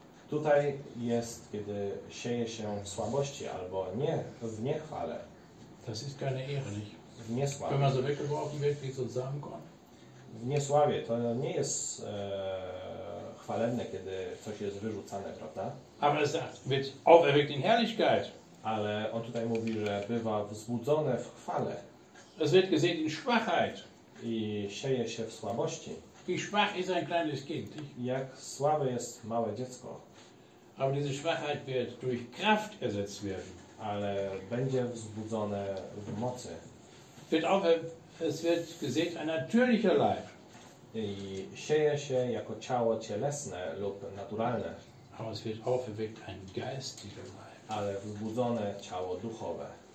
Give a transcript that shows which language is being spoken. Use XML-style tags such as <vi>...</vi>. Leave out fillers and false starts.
<pl>Tutaj jest, kiedy sieje się w słabości albo nie w niechwale.</pl> <de>Das ist keine Ehre, nicht?</de> <pl>W niesławie.</pl> <de>Wenn man so weggeworfen wird wie so ein Samenkorn.</de> <pl>W niesławie to nie jest chwalebne, kiedy coś jest wyrzucane, prawda?</pl> <de>Aber es wird auferweckt in Herrlichkeit.</de> <pl>Ale on tutaj mówi, że bywa wzbudzone w chwale.</pl> <de>Es wird gesät in Schwachheit.</de> <pl>I sieje się w słabości.</pl> <de>Wie schwach ist ein kleines Kind?</de> <pl>Jak słabe jest małe dziecko.</pl> <de>Aber diese Schwachheit wird durch Kraft ersetzt werden.</de> <pl>Ale będzie wzbudzone w mocy.</pl> <de>Wird auch, es wird gesät ein natürlicher Leib.</de> <pl>I sieje się jako ciało cielesne lub naturalne.</pl> <de>Aber es wird auferweckt ein geistiger Leib.</de> <pl>Ale wzbudzone ciało duchowe.</pl>